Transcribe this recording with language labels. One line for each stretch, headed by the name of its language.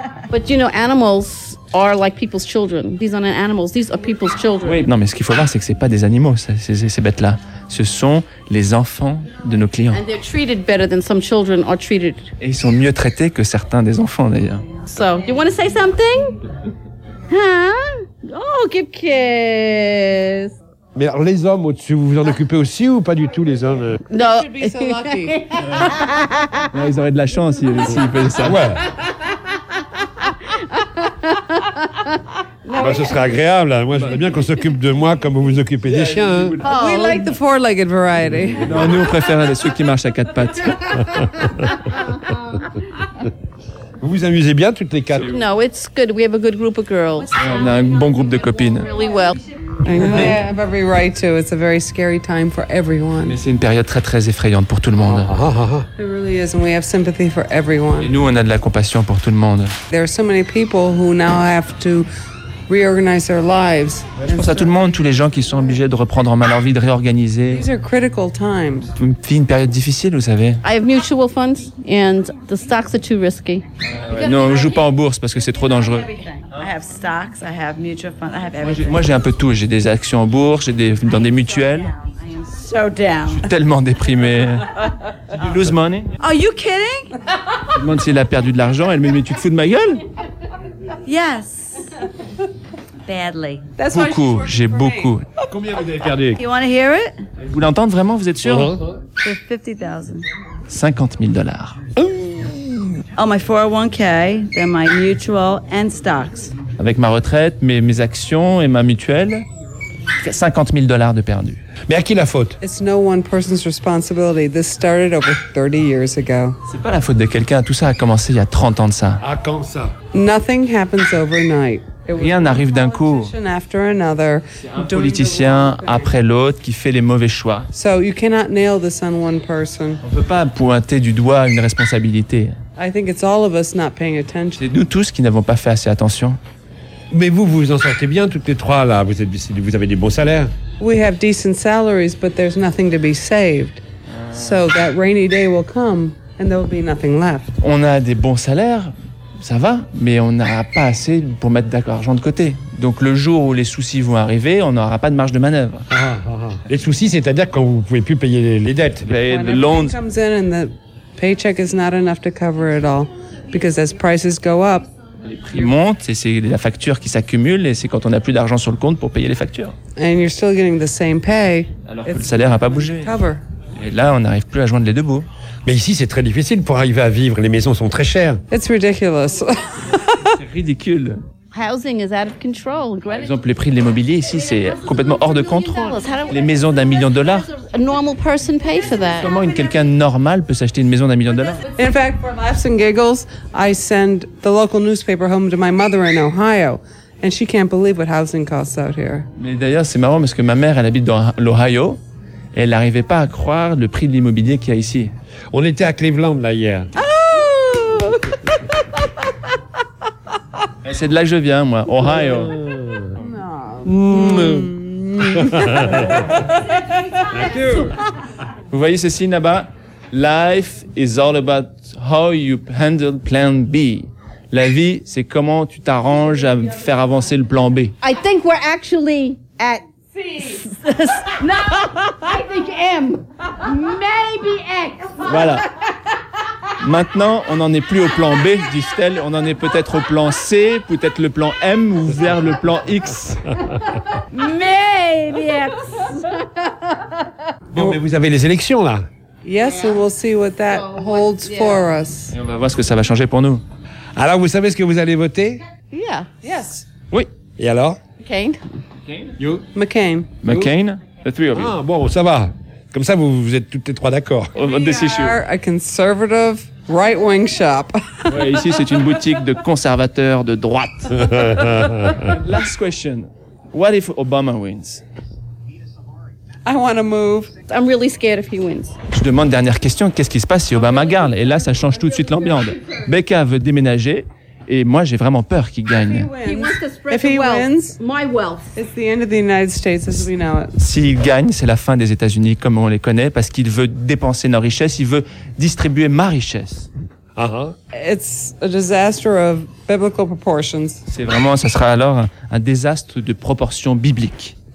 English: But you know, animals are like people's children. These aren't animals. These are people's children.
French: Oui. Non, mais ce qu'il faut voir, c'est que c'est pas des animaux, ces bêtes-là. Ce sont les enfants de nos clients.
English: And they're treated better than some children are treated.
French: Et ils sont mieux traités que certains des enfants, d'ailleurs.
English: So, you want to say something? Huh? Oh, give kiss.
French: Mais alors, les hommes au-dessus, vous vous en occupez aussi ou pas du tout, les hommes? Non. Non, ils auraient de la chance s'ils faisaient ça. Ouais. Bah, ce serait agréable. Moi, j'aimerais bien qu'on s'occupe de moi comme vous vous occupez des chiens.
English: Hein. We like the four-legged variety.
French: Non, nous, on préfère ceux qui marchent à quatre pattes. Vous vous amusez bien toutes les quatre?
English: No, it's good. We have a good group of girls.
French: On a un bon groupe de copines.
English: Really well. I know. I have every right to. It's a very scary time for everyone.
French: Mais c'est une période très très effrayante pour tout le monde.
English: It really is, and we have sympathy for everyone.
French: Et nous, on a de la compassion pour tout le monde.
English: There are so many people who now have to reorganize their lives.
French: Je pense à tout le monde, tous les gens qui sont obligés de reprendre en main leur vie, de réorganiser.
English: These are critical times.
French: On vit une période difficile, vous savez.
English: I have mutual funds, and the stocks are too risky.
French: Non, on joue pas en bourse parce que c'est trop dangereux.
English: I have stocks, I have mutual funds, I have everything.
French: Moi, j'ai un peu tout. J'ai des actions en bourse, dans des mutuelles.
English: So down.
French: Je suis tellement déprimé.
English: You lose money? Are you kidding?
French: Je demande s'il a perdu de l'argent. Elle me dit, mais tu te fous de ma gueule?
English: Yes. Badly.
French: That's beaucoup, j'ai beaucoup. Combien vous avez perdu?
English: You want to hear it?
French: Vous l'entendez vraiment? Vous êtes sûr?
English: For $50,000. $50,000. Oh, my 401k, then my mutual and stocks.
French: Avec ma retraite, mes actions et ma mutuelle, $50,000 de perdu. Mais à qui la faute?
English: It's no one person's responsibility. This started over 30 years ago.
French: C'est pas la faute de quelqu'un. Tout ça a commencé il y a 30 ans de ça. À quand ça?
English: Nothing happens overnight.
French: Rien n'arrive d'un coup.
English: After another,
French: c'est un politicien après l'autre qui fait les mauvais choix.
English: So you cannot nail this on one person.
French: On peut pas pointer du doigt une responsabilité.
English: I think it's all of us not paying attention.
French: C'est nous tous qui n'avons pas fait assez attention. Mais vous en sortez bien toutes les trois là. Vous avez des bons salaires.
English: We have decent salaries, but there's nothing to be saved. So that rainy day will come, and there will be nothing left.
French: On a des bons salaires, ça va, mais on n'a pas assez pour mettre d'argent de côté. Donc le jour où les soucis vont arriver, on n'aura pas de marge de manœuvre. Les soucis, c'est-à-dire quand vous ne pouvez plus payer les dettes.
English: The loans. When comes in and the paycheck is not enough to cover it all, because as prices go up.
French: Les prix montent et c'est la facture qui s'accumule et c'est quand on n'a plus d'argent sur le compte pour payer les factures.
English: And you're still getting the same pay.
French: Alors que le salaire n'a pas bougé.
English: Cover.
French: Et là, on n'arrive plus à joindre les deux bouts. Mais ici, c'est très difficile pour arriver à vivre. Les maisons sont très chères.
English: It's ridiculous.
French: C'est ridicule.
English: Housing is out of control.
French: Par exemple, les prix de l'immobilier ici, c'est complètement hors de contrôle. Les maisons d'un million de dollars.
English: A normal person pay for that.
French: Comment quelqu'un normal peut s'acheter une maison d'un million de dollars?
English: In fact, for laughs and giggles, I send the local newspaper home to my mother in Ohio, and she can't believe what housing costs out here.
French: Mais d'ailleurs, c'est marrant parce que ma mère, elle habite dans l'Ohio, et elle n'arrivait pas à croire le prix de l'immobilier qu'il y a ici. On était à Cleveland là hier. Ah! C'est de là que je viens, moi. Ohio. Vous voyez ceci là-bas?
English: Life is all about how you handle plan B.
French: La vie, c'est comment tu t'arranges à faire avancer le plan B.
English: I think we're actually at C. No, I think M. Maybe X.
French: Voilà. Maintenant, on n'en est plus au plan B, dit-elle. On en est peut-être au plan C, peut-être le plan M ou vers le plan X.
English: Maybe X.
French: Bon, mais vous avez les élections, là.
English: Yes, and we'll see what that holds for us.
French: Et on va voir ce que ça va changer pour nous. Alors, vous savez ce que vous allez voter?
English: Yeah. Yes.
French: Oui. Et alors? McCain.
English: You? McCain. McCain? The three of you.
French: Ah, bon, ça va. Comme ça, vous êtes toutes les trois d'accord.
English: We are a conservative right-wing shop.
French: Ouais, ici, c'est une boutique de conservateurs de droite.
English: Last question. What if Obama wins? I want to move. I'm really scared if he wins.
French: Je demande dernière question. Qu'est-ce qui se passe si Obama gagne? Et là, ça change tout de suite l'ambiance. Becca veut déménager. Et moi, j'ai vraiment peur qu'il gagne.
English: If he wins, my wealth. It's the end of the United States as we know it.
French: S'il gagne, c'est la fin des États-Unis comme on les connaît, parce qu'il veut dépenser nos richesses, il veut distribuer ma richesse. Uh-huh.
English: It's a disaster of biblical proportions.
French: C'est vraiment, ça sera alors un désastre de proportions bibliques.